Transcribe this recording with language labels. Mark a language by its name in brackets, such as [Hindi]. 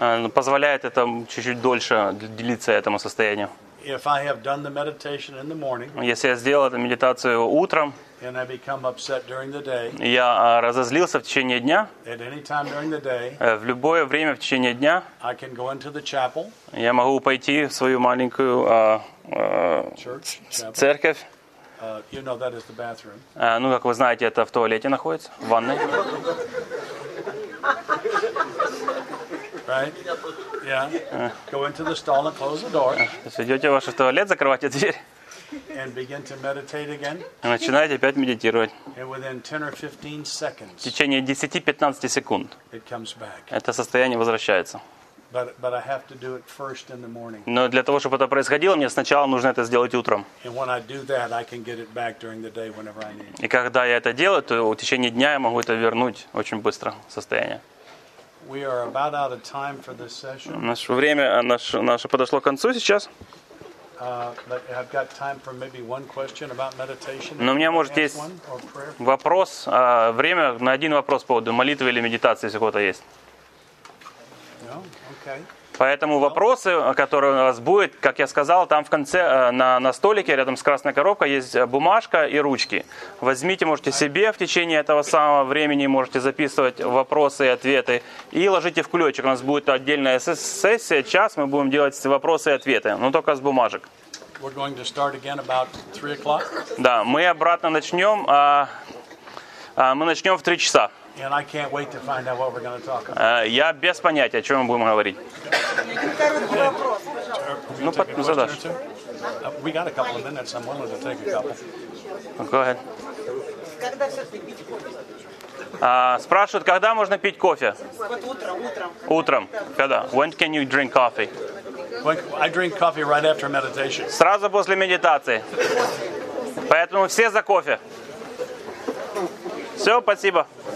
[Russian] Позволяет это чуть-чуть дольше длиться этому состоянию. [English] if I have done the meditation in the morning, [Russian] если я сделал эту медитацию утром, [English] and I become upset during the day, [Russian] я разозлился в течение дня, [English] at any time during the day, [Russian] в любое время в течение дня, [English] I can go into the chapel, [Russian] я могу пойти в свою маленькую [English] church, [Russian] церковь. [English] You know that is the bathroom. [Russian] Ну, как вы знаете, это в туалете находится, в ванной. [English] Right? Yeah. Go into the stall and close the door. [Russian] Идете в ваш туалет, закрывайте дверь. [English] And begin to meditate again. [Russian] Начинаете опять медитировать. [English] And within 10 or 15 seconds. [Russian] В течение 10-15 секунд. [English] It comes back. [Russian] Это состояние возвращается. [English] But I have to do it first in the morning. [Russian] Но для того, чтобы это происходило, мне сначала нужно это сделать утром. [English] And when I do that, I can get it back during the day whenever I need. [Russian] И когда я это делаю, то в течение дня я могу это вернуть очень быстро в состояние. [English] We are about out of time for this session. [Russian] Наше время наше подошло к концу сейчас. [English] But I've got time for maybe one question about meditation. [Russian] Но у меня может есть вопрос, время на один вопрос по поводу молитвы или медитации, если у кого-то есть. [English] No. [Russian] Поэтому вопросы, которые у вас будут, как я сказал, там в конце на столике рядом с красной коробкой есть бумажка и ручки. Возьмите, можете себе в течение этого самого времени можете записывать вопросы и ответы и ложите в кулечек. У нас будет отдельная сессия, час мы будем делать вопросы и ответы, но только с бумажек. [English] We're going to start again about 3 o'clock. [Russian] Да, мы обратно начнем, мы начнем в 3 часа. [English] And I can't wait to find out what we're going to talk about. [Russian] Я без понятия, о чём мы будем говорить. Короткий вопрос, пожалуйста. Ну, задашь. [English] We got a couple of minutes. I'm willing to take a couple. Go ahead. [Russian] Когда всё-таки пить кофе? Спрашивают, когда можно пить кофе? Вот утром. Утром. Когда? [English] When can you drink coffee? I drink coffee right after meditation. [Russian] Сразу после медитации. Поэтому все за кофе. Всё, спасибо.